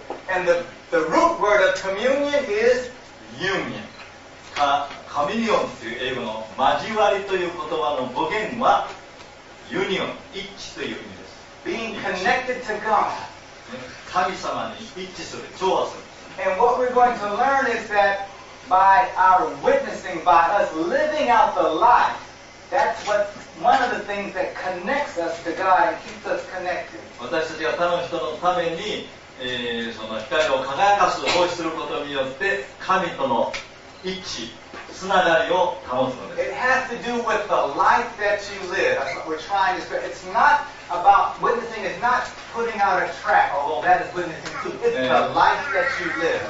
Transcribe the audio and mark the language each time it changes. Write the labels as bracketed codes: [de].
[en] And the root word of communion is union. [ja] カミニオンという英語の交わりという言葉の語源はユニオン、一致という意味です。 [en] Being connected to God. [ja] 神様に一致する、調和する。 [en] And what we're going to learn is that by our witnessing, by us living out the life, that's what one of the things that connects us to God and keeps us connected. [ja] 私たちが他の人のために、その光を輝かす、奉仕することによって、神との一致。つながりを保つのです。 [en] It has to do with the life that you live. That's what we're trying to say. It's not about witnessing. It's not putting out a tract. Although that is witnessing too. It's the life that you live.